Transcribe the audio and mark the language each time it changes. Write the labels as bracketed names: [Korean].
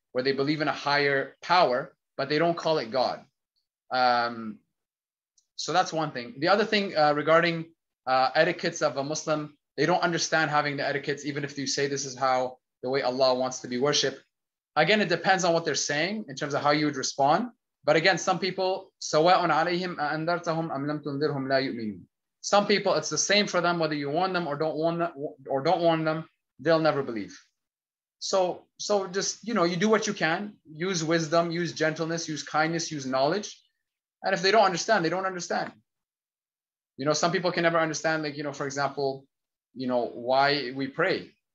[English] where they believe in a higher power, but they don't call it God. So that's one thing. The other thing regarding etiquettes of a Muslim, they don't understand having the etiquettes, even if you say this is how the way Allah wants to be worshipped. Again, it depends on what they're saying in terms of how you would respond. But again, some people, [Arabic] سَوَاءٌ عَلَيْهِمْ أَأَنذَرْتَهُمْ أَمْ لَمْ تُنذِرْهُمْ لَا يُؤْمِنُونَ. [English] Some people, it's the same for them, whether you warn them or don't warn them, they'll never believe. So just, you know, you do what you can. Use wisdom, use gentleness, use kindness, use knowledge. And if they don't understand, they don't understand. You know, some people can never understand, like, you know, for example, you know, why we pray.